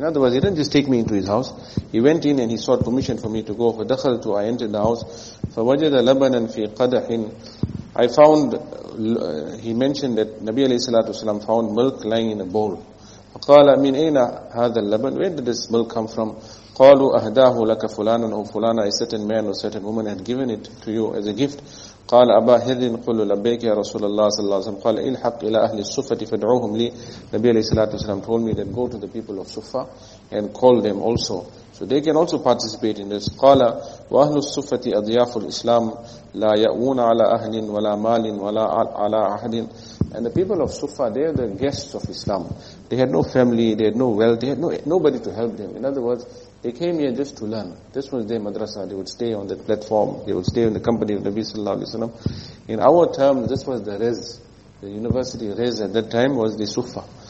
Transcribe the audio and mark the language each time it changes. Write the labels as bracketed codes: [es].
[en] In other words, he didn't just take me into his house. He went in and he sought permission for me to go. [ar] فَدَخَلْتُ. [en] I entered the house. [ar] فَوَجَدَ لَبَنًا فِي قَدَحٍ. [en] I found, he mentioned that Nabi alayhi salatu wasalam found milk lying in a bowl. [ar] فَقَالَ مِنْ أَيْنَ هَذَا اللَّبَنِ. [en] Where did this milk come from? [ar] قَالُوا أَهْدَاهُ لَكَ فُلَانًا أَوْ فُلَانًا. [en] A certain man or certain woman had given it to you as a gift. [ar] قال أبا هرٍ قل لبيك يا رسول الله صلى الله عليه وسلم. قال إلحق إلى أهل الصفة فدعوهم لي. [en] نبي عليه الصلاة والسلام told me that go to the people of Sufa and call them also, so they can also participate in this. [ar] قال وأهل الصفة أضياف الإسلام لا يأوون على أهل ولا مال ولا على أحد. [en] And the people of Sufa, they are the guests of Islam. They had no family, they had no wealth, they had nobody to help them. In other words, they came here just to learn. This was their madrasa. They would stay on that platform. They would stay in the company of Nabi sallallahu alayhi wa sallam. In our terms, this was the rez. The university rez at that time was the Sufa.